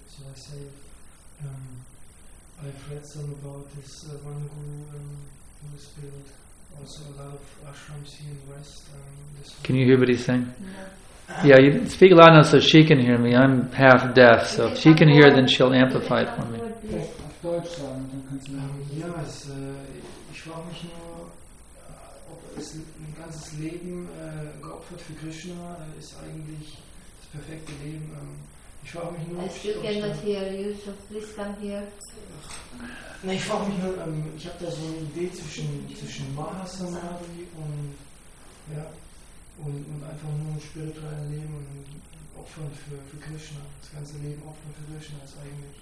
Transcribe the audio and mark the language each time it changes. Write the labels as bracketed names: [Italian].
[English] So I say, I've read some about this one guru who was built also a lot of ashrams here in the West. Can you hear what he's saying? No. Yeah, you speak loud enough so she can hear me. I'm half deaf, so if she can hear, then she'll amplify it for me. [German] Auf Deutsch sagen, dann kannst du sagen. Ja, ich frage mich nur, ob es ein ganzes Leben geopfert für Krishna ist eigentlich das perfekte Leben. Ich frage mich nur. [English] I still cannot hear you, so please come here. [German] Nein, ich frage mich nur, ich habe da so eine Idee zwischen Mahasamadhi und einfach nur ein spirituelles Leben und Opfern für Krishna. Das ganze Leben Opfern für Krishna ist eigentlich.